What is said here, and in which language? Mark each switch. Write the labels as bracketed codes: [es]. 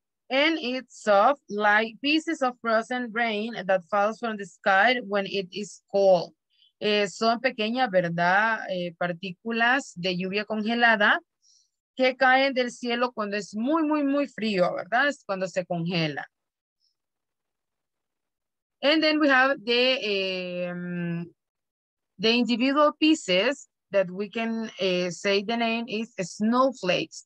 [en] And it's soft, like pieces of frozen rain that falls from the sky when it is cold. [es] Son pequeñas, ¿verdad?, partículas de lluvia congelada que caen del cielo cuando es muy, muy, muy frío, ¿verdad? Es cuando se congela. [en] And then we have the individual pieces that we can say the name is snowflakes.